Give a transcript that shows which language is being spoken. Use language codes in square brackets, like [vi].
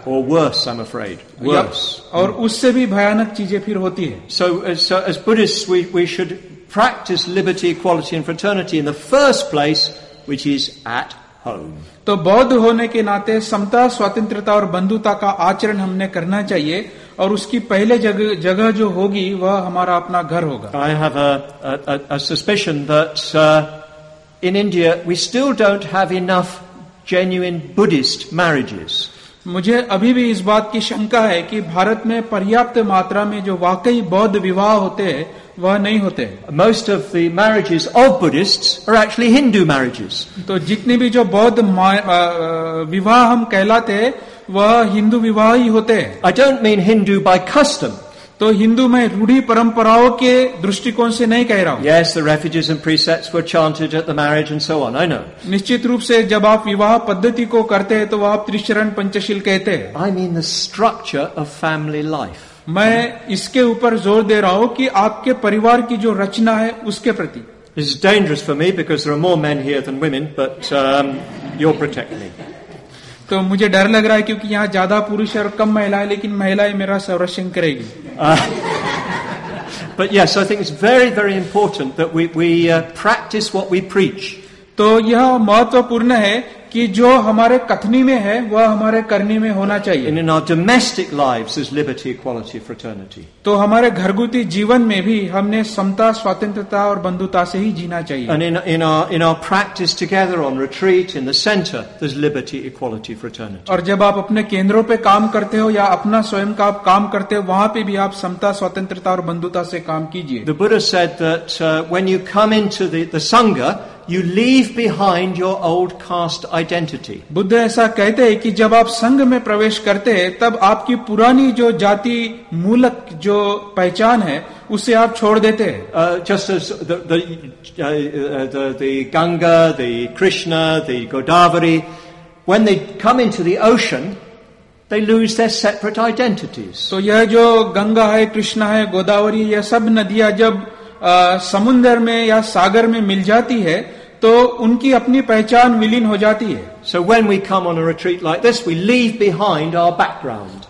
[en] Or worse, I'm afraid. Worse. [hi] और उससे भी भयानक चीजें फिर होती है. [en] So as Buddhists, we should practice liberty, equality and fraternity in the first place, which is at home. [hi] तो बौद्ध होने के नाते समता, स्वतंत्रता और बंधुता का आचरण हमने करना चाहिए और उसकी पहले जगह जो होगी वह हमारा अपना घर होगा. [en] I have a suspicion that in India we still don't have enough genuine Buddhist marriages. [hi] मुझे अभी भी इस बात की शंका है कि भारत में पर्याप्त मात्रा में जो वाकई बौद्ध विवाह होते हैं वह नहीं होते. [en] Most of the marriages of Buddhists are actually Hindu marriages. [hi] तो जितने भी जो बौद्ध विवाह हम कहलाते हैं वह हिंदू विवाह ही होते हैं. [en] I don't mean Hindu by custom. [hi] तो हिंदू में रूढ़ी परंपराओं के दृष्टिकोण से नहीं कह रहा हूँ. [en] Yes, the refuges and precepts were chanted at the marriage and so on. I know. [hi] निश्चित रूप से जब आप विवाह पद्धति को करते हैं तो वह आप त्रिशरण पंचशील कहते हैं. [en] I mean the structure of family life. [hi] मैं इसके ऊपर जोर दे रहा हूँ कि आपके परिवार की जो रचना है उसके प्रति. [en] It's dangerous for me because there are more men here than women, but you're protecting me. [hi] तो मुझे डर लग रहा है क्योंकि यहाँ ज्यादा पुरुष और कम महिलाएं, लेकिन महिलाएं मेरा संरक्षण करेगी. [en] But yes, I think it's very, very important that we practice what we preach. [hi] तो यह महत्वपूर्ण है कि जो हमारे कथनी में है वह हमारे करनी में होना चाहिए. [en] And in our domestic lives is liberty, equality, fraternity. [hi] तो हमारे घरगुती जीवन में भी हमने समता, स्वतंत्रता और बंधुता से ही जीना चाहिए. [en] And in our practice together on retreat in the center, there's liberty, equality, fraternity. [hi] और जब आप अपने केंद्रों पे काम करते हो या अपना स्वयं का आप काम करते हो वहाँ पे भी आप समता, स्वतंत्रता और बंधुता से काम कीजिए. [en] The Buddha said that when you come into the Sangha, you leave behind your old caste identity. [hi] Buddha ऐसा कहते हैं कि जब आप संघ में प्रवेश करते हैं तब आपकी पुरानी जो जाति मूलक जो पहचान है उसे आप छोड़ देते हैं. [en] Just as the Ganga, the Krishna, the Godavari, when they come into the ocean, they lose their separate identities. [hi] तो यह जो गंगा है, कृष्णा है, गोदावरी, यह सब नदियां जब समुन्दर में या सागर में मिल जाती है तो उनकी अपनी पहचान विलीन हो जाती है. [en] So when we come on a retreat like this, we leave behind our background.